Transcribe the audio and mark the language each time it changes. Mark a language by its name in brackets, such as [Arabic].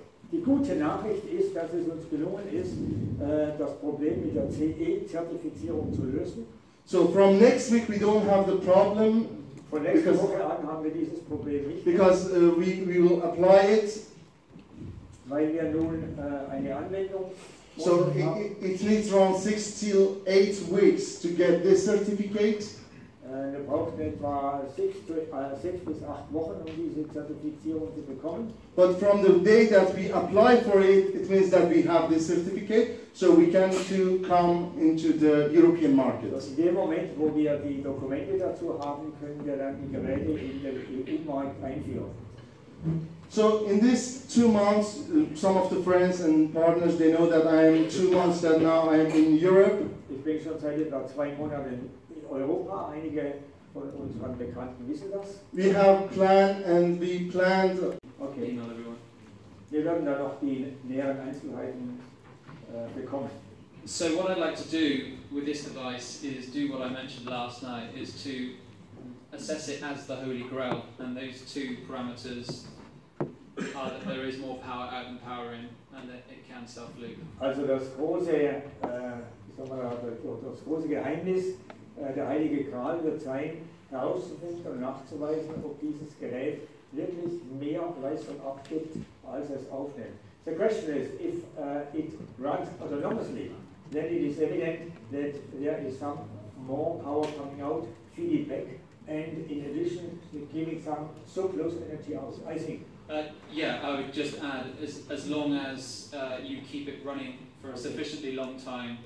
[German] Die gute Nachricht ist, dass es uns gelungen ist, das Problem mit der CE-Zertifizierung zu lösen. [English] So from next week, we don't have the problem. [German] Von nächster Woche an haben wir dieses Problem nicht. [English] Because we will apply it. [German] Weil wir nun eine Anwendung. [English] So it needs around 6 to 8 weeks to get this certificate. [German] Wir brauchten etwa 6 bis 8 Wochen, um diese Zertifizierung zu bekommen. [English] But from the day that we apply for it, it means that we have this certificate, so we can to come into the European market. [German] Also in dem Moment, wo wir die Dokumente dazu haben, können wir dann die Geräte in den EU-Markt einführen. [English] So in these 2 months, some of the friends and partners, they know that I am 2 months that now I am in Europe. [German] Ich bin schon seit etwa 2 Monaten in Europa. Einige von unseren Bekannten wissen das. [English] We have planned and we planned. Okay. [German] Wir werden dann noch die näheren Einzelheiten bekommen. [English] So what I'd like to do with this device is do what I mentioned last night, is to assess it as the Holy Grail, and those 2 parameters are that there is more power out than power in, and that it can self-loop. [German] Also das große, das große Geheimnis, der Heilige Gral wird sein, herauszufinden und nachzuweisen, ob dieses Gerät wirklich mehr Leistung abgibt, als es aufnimmt. [English] The question is, if it runs autonomously, then it is evident that there is some more power coming out, feedback, and in addition, giving some surplus energy out, I think. Yeah, I would just add, as long as you keep it running for a sufficiently long time.